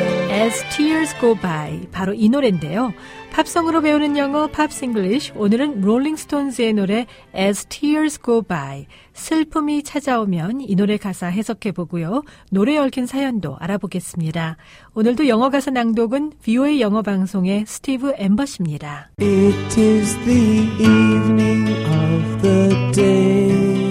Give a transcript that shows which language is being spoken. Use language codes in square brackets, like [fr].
[en] As tears go by, 바로 이 노래인데요. [ko] 팝송으로 배우는 영어 팝스 잉글리쉬, 오늘은 롤링스톤스의 노래 [en] As Tears Go By, [ko] 슬픔이 찾아오면 이 노래 가사 해석해보고요. 노래에 얽힌 사연도 알아보겠습니다. 오늘도 영어 가사 낭독은 VOA 영어 방송의 스티브 앰버시입니다. [en] It is the evening of the day.